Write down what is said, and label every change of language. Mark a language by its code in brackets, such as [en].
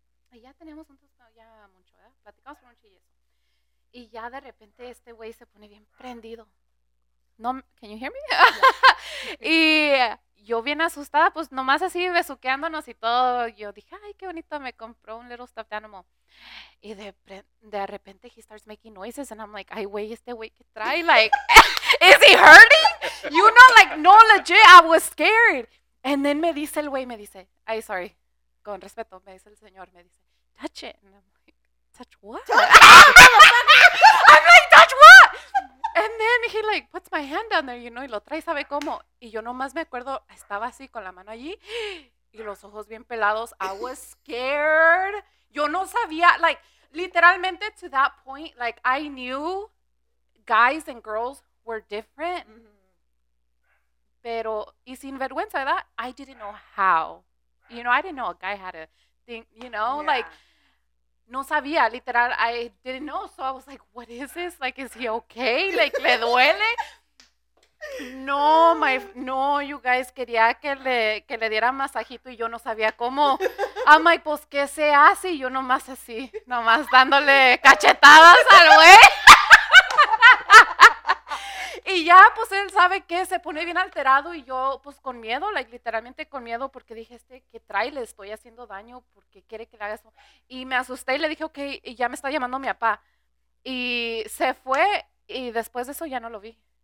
[es] Y ya teníamos un tiempo ya mucho, ¿verdad? Platicamos por mucho y eso. Y ya de repente este güey se pone bien prendido. [en] No, can you hear me? [es] Y yo bien asustada, pues nomás así besuqueándonos y todo. Yo dije, ay, qué bonito, me compró un [en] little stuffed animal. [es] Y de repente [en] he starts making noises and I'm like, [es] ay, güey, este güey que trae, [en] like, is he hurting? You know, like, no, legit, I was scared. And then [es] me dice el güey, ay, [en] sorry, [es] con respeto, me dice el señor, me dice, [en] touch it. And I'm like, touch what? I'm like, touch what? And then he like puts my hand down there, you know, [es] y lo trae, sabe cómo. Y yo nomás me acuerdo, estaba así con la mano allí y los ojos bien pelados. [en] I was scared. [es] Yo no sabía, [en] like, [es] literalmente [en] to that point, like, I knew guys and girls were different. [es] Pero, y sin vergüenza, ¿verdad? [en] I didn't know how. You know, I didn't know a guy had a thing, you know, like, [es] no sabía, literal, [en] I didn't know, so I was like, what is this, like, is he okay, like, [es] le duele, no, [en] you guys, [es] quería que le diera masajito, y yo no sabía cómo, [en] I'm like, [es] pues, ¿qué se hace? Y yo nomás así, nomás dándole cachetadas al güey, y ya, pues, él sabe que se pone bien alterado, y yo, pues, con miedo, like, literalmente con miedo, porque dije, ¿qué trae? Le estoy haciendo daño, porque quiere que le haga eso, y me asusté, y le dije, ok, y ya me está llamando mi papá, y se fue, y después de eso ya no lo vi,